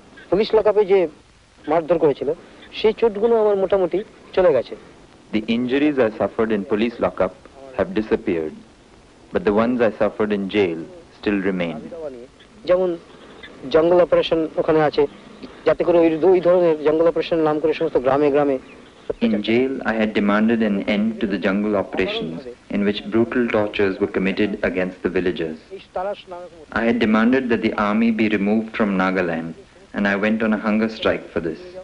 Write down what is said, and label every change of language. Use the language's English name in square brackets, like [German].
[Bangla] Police লোকাপে যে মারধর করেছিল সেই চোটগুলো আমার মোটামুটি চলে গেছে [English] The injuries I suffered in police lockup have disappeared but the ones I suffered in jail still remain [Bangla] যেমন জঙ্গল অপারেশন ওখানে আছে যাতে করে ওই ধরনের জঙ্গল অপারেশন নাম করে সমস্ত গ্রামে গ্রামে [English] In jail, I had demanded an end to the jungle operations in which brutal tortures were committed against the villagers. I had demanded that the army be removed from Nagaland and I went on a hunger strike for this.